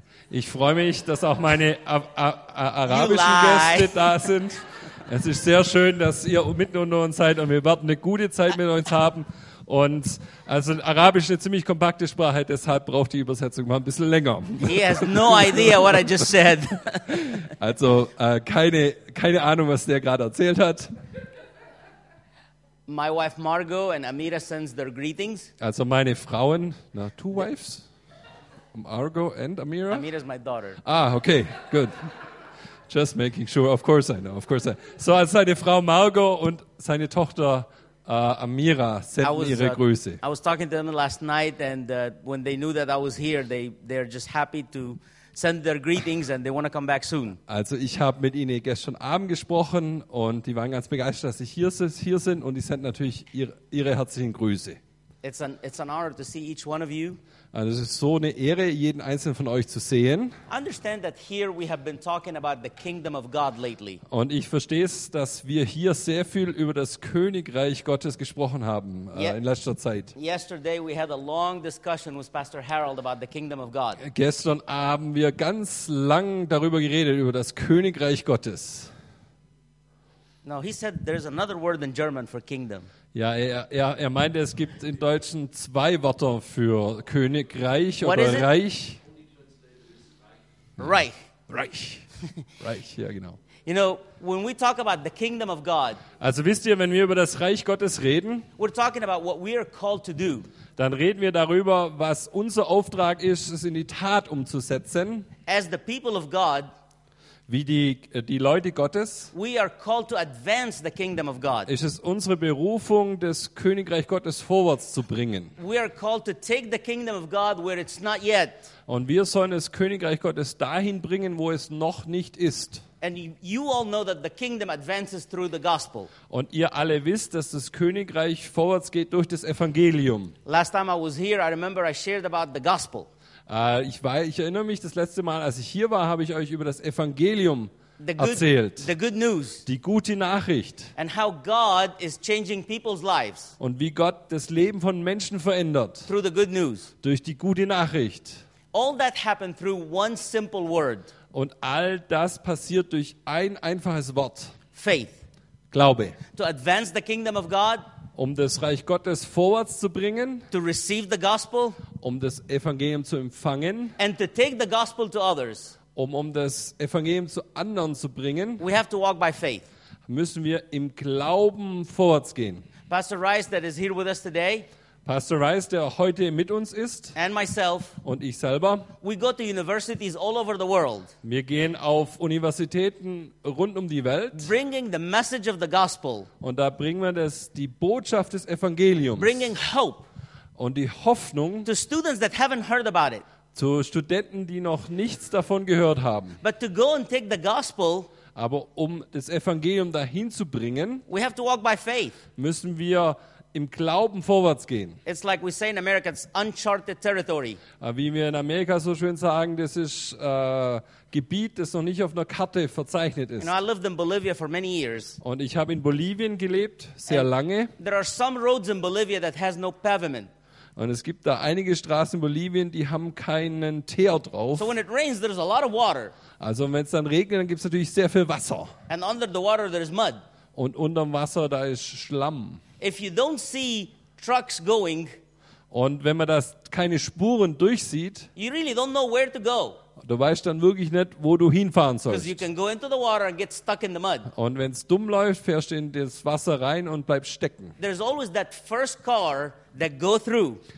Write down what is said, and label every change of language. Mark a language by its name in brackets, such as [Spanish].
[German] Ich freue mich, dass auch meine arabischen Gäste da sind. Es ist sehr schön, dass ihr mitten unter uns seid und wir werden eine gute Zeit mit uns haben. Und also Arabisch ist eine ziemlich kompakte Sprache, deshalb braucht die Übersetzung mal ein bisschen länger. [English] He has no idea what I just said. [German] Also keine Ahnung, was der gerade erzählt hat. [English] My wife Margot and Amira sends their greetings. [German] Also meine Frauen, na, [English] two wives? [German] Margot and Amira? [English] Amira is my daughter. Ah, okay, good. Just making sure, of course I know, of course I know. [German] So also seine Frau Margot und seine Tochter Amira sent ihre Grüße. [English] I was talking to them last night, and when they knew that I was here, they're just happy to send their greetings, and they want to come back soon. [German] Also, ich habe mit ihnen gestern Abend gesprochen, und die waren ganz begeistert, dass ich hier sind, und die senden natürlich ihre herzlichen Grüße. [English] It's an honor to see each one of you. [German] Also, es ist so eine Ehre, jeden einzelnen von euch zu sehen. [English] Understand that here we have been talking about the kingdom of God lately. [German] Und ich verstehe es, dass wir hier sehr viel über das Königreich Gottes gesprochen haben in letzter Zeit. [English] Yesterday we had a long discussion with Pastor Harold about the kingdom of God. [German] Gestern haben wir ganz lang darüber geredet über das Königreich Gottes. [English] Now he said there's another word in German for kingdom. [German] Ja, er meinte, es gibt in Deutschen zwei Wörter für Königreich oder Reich. Reich. Reich. Reich, ja genau. [English] You know, when we talk about the kingdom of God. [German] Also wisst ihr, wenn wir über das Reich Gottes reden, [English] we're talking about what we are called to do. [German] Dann reden wir darüber, was unser Auftrag ist, es in die Tat umzusetzen. [English] As the people of God. [German] Wie die Leute Gottes. [English] We are called to advance the kingdom of God. [German] Ist es unsere Berufung, das Königreich Gottes vorwärts zu bringen. [English] We are called to take the kingdom of God where it's not yet. [German] Und wir sollen das Königreich Gottes dahin bringen, wo es noch nicht ist. [English] And you all know that the kingdom advances through the gospel. [German] Und ihr alle wisst, dass das Königreich vorwärts geht durch das Evangelium. [English] Last time I was here, I remember I shared about the gospel. [German] Ich erinnere mich, das letzte Mal, als ich hier war, habe ich euch über das Evangelium erzählt. [English] The good news. [German] Die gute Nachricht. [English] And how God is changing people's lives. [German] Und wie Gott das Leben von Menschen verändert. [English] Through the good news. [German] Durch die gute Nachricht. [English] All that happened through one simple word. [German] Und all das passiert durch ein einfaches Wort. [English] Faith. [German] Glaube. [English] To advance the kingdom of God. [German] Um das Reich Gottes vorwärts zu bringen, [English] to receive the gospel, [German] um das Evangelium zu empfangen, [English] and to take the gospel to others, [German] um das Evangelium zu anderen zu bringen, [English] we have to walk by faith. [German] Müssen wir im Glauben vorwärts gehen. [English] Pastor Rice, that is here with us today, [German] Pastor Rice, der heute mit uns ist, [English] and myself, [German] und ich selber, [English] we go to universities all over the world, [German] wir gehen auf Universitäten rund um die Welt, [English] bringing the message of the gospel, [German] und da bringen wir die Botschaft des Evangeliums, [English] bringing hope, [German] und die Hoffnung, [English] to students that haven't heard about it, [German] zu Studenten, die noch nichts davon gehört haben. [English] But to go and take the gospel, [German] aber um das Evangelium dahin zu bringen, [English] we have to walk by faith. [German] Müssen wir im Glauben vorwärts gehen. [English] It's like we say in America, it's uncharted territory. [German] Wie wir in Amerika so schön sagen, das ist Gebiet, das noch nicht auf einer Karte verzeichnet ist. [English] You know, I lived in Bolivia for many years. [German] Und ich habe in Bolivien gelebt, sehr and lange. [English] There are some roads in Bolivia that has no pavement. [German] Und es gibt da einige Straßen in Bolivien, die haben keinen Teer drauf. [English] So when it rains, there's a lot of water. [German] Also wenn es dann regnet, dann gibt es natürlich sehr viel Wasser. [English] And under the water, there's mud. [German] Und unterm Wasser, da ist Schlamm. [English] If you don't see trucks going, [German] und wenn man das keine Spuren durchsieht, [English] you really don't know where to go. [German] Du weißt dann wirklich nicht, wo du hinfahren sollst. [English] Because you can go into the water and get stuck in the mud. [German] Und wenn es dumm läuft, fährst du in das Wasser rein und bleibst stecken. [English] There's always that first car that go through.